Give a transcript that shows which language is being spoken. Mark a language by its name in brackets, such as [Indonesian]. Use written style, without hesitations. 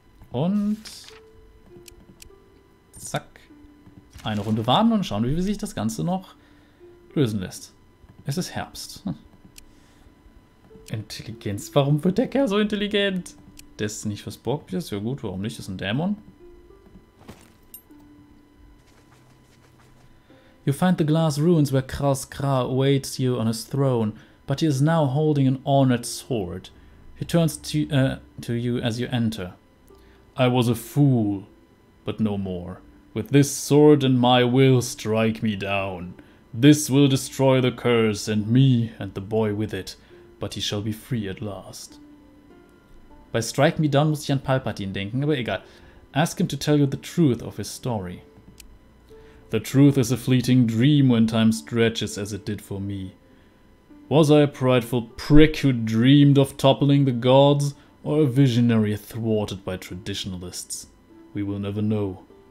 [German] Und zack. Eine Runde warten und schauen, wie sich das Ganze noch lösen lässt. Es ist Herbst. Intelligenz. Warum wird der Kerl so intelligent? Der ist nicht fürs Borgbier. Ja gut, warum nicht? Das ist ein Dämon. [English] You find the glass ruins where Kras Kra awaits you on his throne, but he is now holding an ornate sword. He turns to you as you enter. I was a fool, but no more. With this sword and my will, strike me down. This will destroy the curse and me and the boy with it, but he shall be free at last. [German] Bei [English] strike me down [German] muss ich an Palpatine denken, aber egal. [English] Ask him to tell you the truth of his story. The truth is a fleeting dream when time stretches as it did for me. Was I a prideful prick who dreamed of toppling the gods, or a visionary thwarted by traditionalists? We will never know.